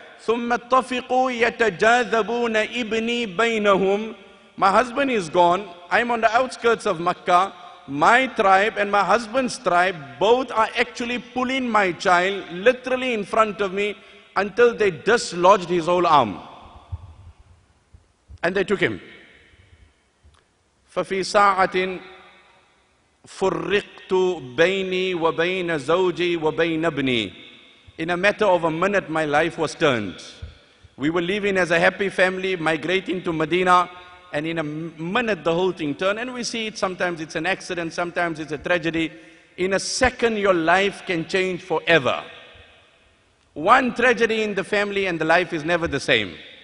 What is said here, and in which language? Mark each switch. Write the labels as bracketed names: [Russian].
[Arabic] ثُمَّ اتَّفِقُوا يَتَجَاذَبُونَ إِبْنِي بَيْنَهُمْ. [English] My husband is gone. I'm on the outskirts of Makkah. My tribe and my husband's tribe both are actually pulling my child literally in front of me until they dislodged his whole arm. And they took him. [Arabic] ففي ساعة فرقت بيني وبين زوجي وبين ابني. [English] In a matter of a minute, my life was turned. We were living as a happy family, migrating to Medina, and in a minute the whole thing turned. And we see it sometimes, it's an accident, sometimes it's a tragedy. In a second, your life can change forever. One tragedy in the family and the life is never the same.